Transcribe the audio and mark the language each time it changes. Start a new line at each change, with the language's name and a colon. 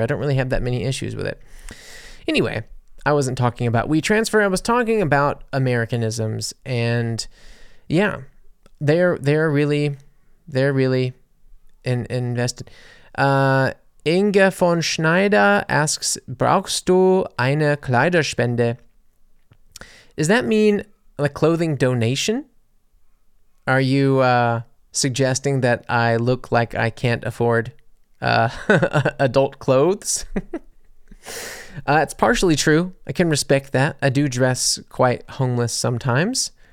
English: I don't really have that many issues with it. Anyway, I wasn't talking about Wii transfer. I was talking about Americanisms, and yeah, they're really invested.
German: Inge von Schneider
English: asks,
German: brauchst du eine Kleiderspende?
English: Does that mean a clothing donation? Are you suggesting that I look like I can't afford adult clothes? It's partially true. I can respect that. I do dress quite homeless sometimes.